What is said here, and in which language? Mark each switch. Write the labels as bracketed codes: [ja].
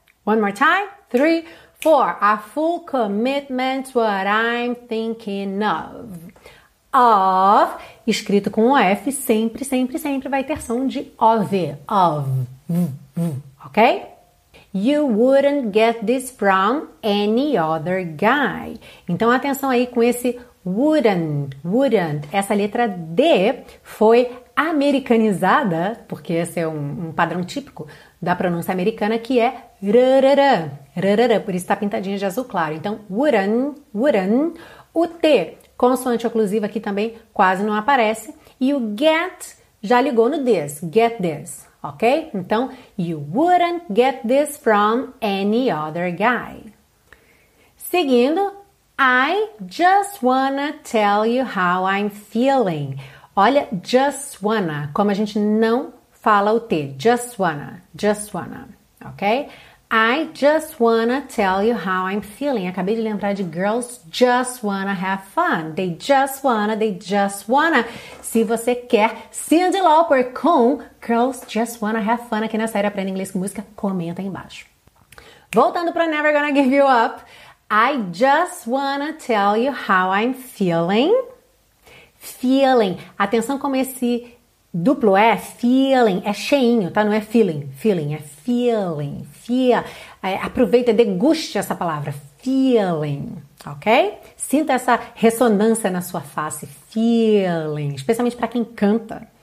[en] One more time, 3, 4, a full commitment's what I'm thinking of. [pt] Of, escrito com OF, sempre, sempre, sempre vai ter som de OV. Of. Ok? [en] You wouldn't get this from any other guy. [pt] Então, atenção aí com esse wouldn't. Essa letra D foi americanizada, porque esse é um padrão típico da pronúncia americana, que é rrrr, por isso está pintadinha de azul claro. Então, wouldn't. O T, consoante oclusiva aqui também, quase não aparece. E o get já ligou no this, [en] get this, [pt] ok? [en] Então, you wouldn't get this from any other guy. Seguindo, I just wanna tell you how I'm feeling. [pt] Olha, [en] just wanna, [pt] como a gente não fala o T, just wanna, ok? [en] I just wanna tell you how I'm feeling. [pt] Acabei de lembrar de [en] girls just wanna have fun. They just wanna. [pt] Se você quer Cyndi Lauper com Girls Just Wanna Have Fun aqui na série Aprenda Inglês com Música, comenta aí embaixo. Voltando para Never Gonna Give You Up. [en] I just wanna tell you how I'm feeling. Feeling. [pt] Atenção como esse duplo é feeling, é cheinho, tá? Não é feeling, feeling, é feeling, fia. Aproveita, deguste essa palavra, feeling, ok? Sinta essa ressonância na sua face, feeling, especialmente para quem canta.